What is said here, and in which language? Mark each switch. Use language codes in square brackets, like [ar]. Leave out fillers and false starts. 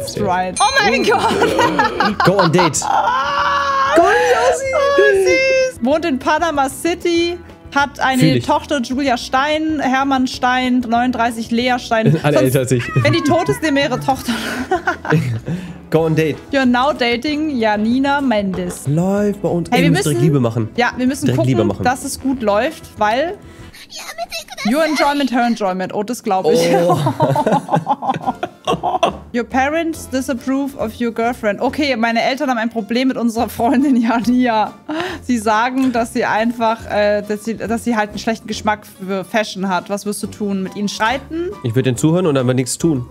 [en] Let's try it. [de] Oh mein Gott! [en] Go on date! Go on, Josi! [de] Oh, süß! Wohnt in Panama City. Hat eine Tochter, Julia Stein, Hermann Stein, 39, Lea Stein. Alle älter als ich. Wenn die tot ist, nehmen wir ihre Tochter. [en] Go on date. You're now dating Janina Mendes. [de] Läuft bei uns. Hey, wir müssen direkt Liebe machen. Ja, wir müssen direkt gucken, Liebe machen, dass es gut läuft, weil... [en] Your enjoyment, her enjoyment. [de] Oh, das glaube ich. Oh. [en] Your parents disapprove of your girlfriend. [de] Okay, meine Eltern haben ein Problem mit unserer Freundin Jania. Sie sagen, dass sie einfach, dass sie halt einen schlechten Geschmack für Fashion hat. Was wirst du tun? Mit ihnen streiten? Ich würde denen zuhören und dann nichts tun.